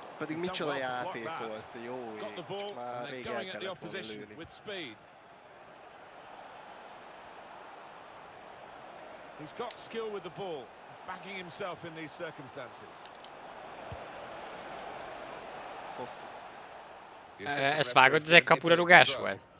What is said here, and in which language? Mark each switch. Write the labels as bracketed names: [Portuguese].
[Hungarian] Pedig micsoda játék volt, jó ég. Már rég el kellett volna lőni. [English] With speed. He's got skill with the ball, backing himself in these circumstances. [Hungarian] Ezt vágod, ez egy kapura rugás volt.